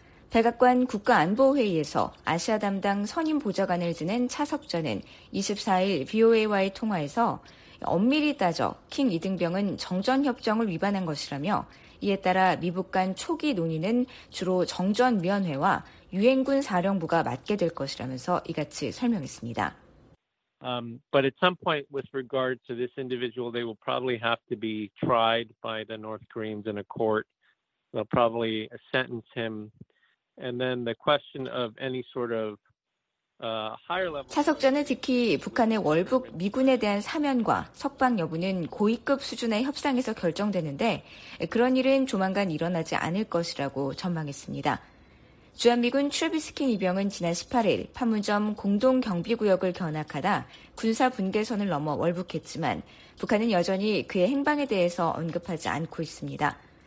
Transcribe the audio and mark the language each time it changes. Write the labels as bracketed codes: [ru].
[ko] 백악관 국가안보회의에서 아시아 담당 선임 보좌관을 지낸 차석자는 24일 VOA와의 통화에서 엄밀히 따져 킹 이등병은 정전협정을 위반한 것이라며 이에 따라 미북 간 초기 논의는 주로 정전위원회와 유엔군 사령부가 맡게 될 것이라면서 이같이 설명했습니다. [en] But at some point with regard to this individual, they will probably have to be tried by the North Koreans in a court. They'll probably sentence him. And then the question of any sort of higher level. [ko] 차석자는 특히 북한의 월북 미군에 대한 사면과 석방 여부는 고위급 수준의 협상에서 결정되는데 그런 일은 조만간 일어나지 않을 것이라고 전망했습니다. 주한미군 트래비스킨 이병은 지난 18일 판문점 공동경비구역을 견학하다 군사분계선을 넘어 월북했지만 북한은 여전히 그의 행방에 대해서 언급하지 않고 있습니다.